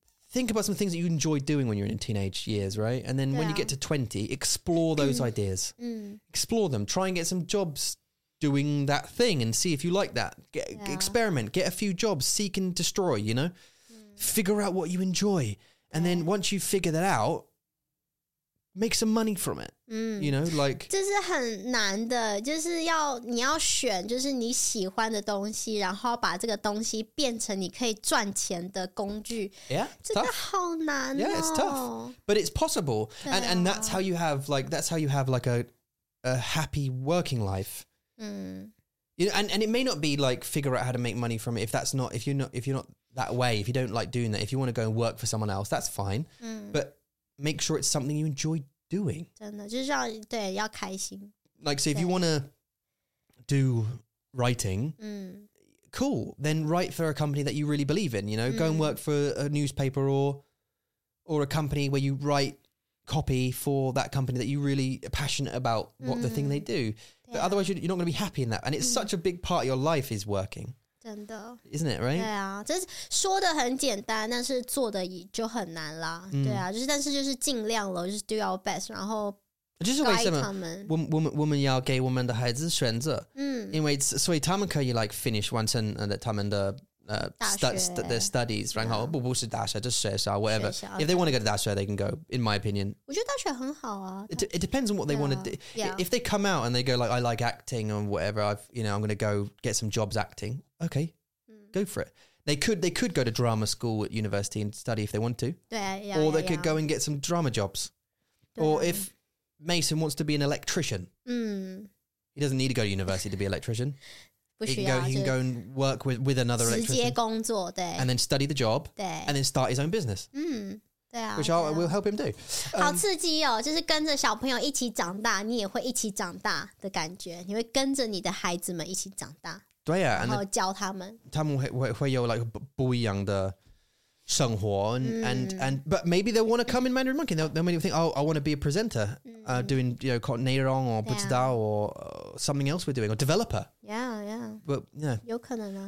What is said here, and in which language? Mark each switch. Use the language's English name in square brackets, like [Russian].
[English] Think about some things that you enjoy doing when you're in teenage years, right? And then when you get to 20, explore those ideas. Explore them. Try and get some jobs. Doing that thing and see if you like that. Experiment, get a few jobs, seek and destroy, you know? Figure out what you enjoy. And then once you figure that out, make some money from it. You know, like... [Chinese] 这是很难的，就是要你要选就是你喜欢的东西，然后把这个东西变成你可以赚钱的工具。 [English] Yeah, [Chinese] 这个好难哦。 [English] Yeah, it's tough. But it's possible. And that's how you have like, that's how you have like a happy working life. You know, and it may not be like figure out how to make money from it. If you're not that way, if you don't like doing that, if you want to go and work for someone else, that's fine. But make sure it's something you enjoy doing. [Chinese] 真的就是要对要开心 [English] Like, so if you want to do writing, cool, then write for a company that you really believe in, you know, go and work for a newspaper or a company where you write copy for that company that you really are passionate about what the thing they do. But otherwise, you're not going to be happy in that. And it's such a big part of your life is working. [Chinese] 真的。 [English] Isn't it, right? [Chinese] 对啊，这是说的很简单，但是做的就很难啦。对啊，就是但是就是尽量了，就是 [English] do our best, [Chinese] 然后 guide 他们。我们要给我们的孩子选择。因为所以他们可以 [English] like finish [Chinese] 完成他们的 [English] their studies, [Chinese] 然后不是大学，就是学校 [English] whatever. If they want to go to 大学, they can go, in my opinion. [Chinese] 我觉得大学很好啊。 [English] It depends on what they want to do. Yeah. If they come out and they go like, I like acting or whatever, I'm going to go get some jobs acting. Okay, go for it. They could go to drama school at university and study if they want to. [Chinese] 对啊, [English] yeah, or they could go and get some drama jobs. Or if Mason wants to be an electrician, he doesn't need to go to university to be an electrician. He can go and work with another electrician. [Chinese] 直接工作对 [English] And then study the job. [Chinese] 对 [English] And then start his own business. [Chinese] 对啊 [English] Which I will help him do. [Chinese] 好刺激哦就是跟着小朋友一起长大你也会一起长大的感觉你会跟着你的孩子们一起长大对啊然后教他们他们 会有 [English] like [Chinese] 不一样的生活 [English] and but maybe they want to come in Mandarin Monkey. They may think, oh, I want to be a presenter, doing, you know, called [Chinese] 内容 [English] or [Chinese] 不知道 [English] or something else we're doing, or developer. Yeah, yeah. But, yeah. [Chinese] 有可能啊。